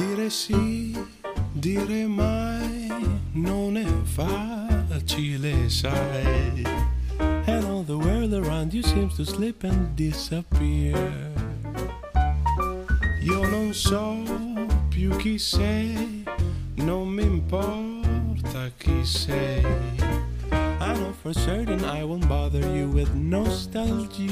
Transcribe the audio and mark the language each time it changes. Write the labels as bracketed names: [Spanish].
[Italian] Sì, dire mai non è facile, sai. [English] And all the world around you seems to slip and disappear. [Italian] Io non so più chi sei, non mi importa chi sei. [English] I know for certain I won't bother you with nostalgia.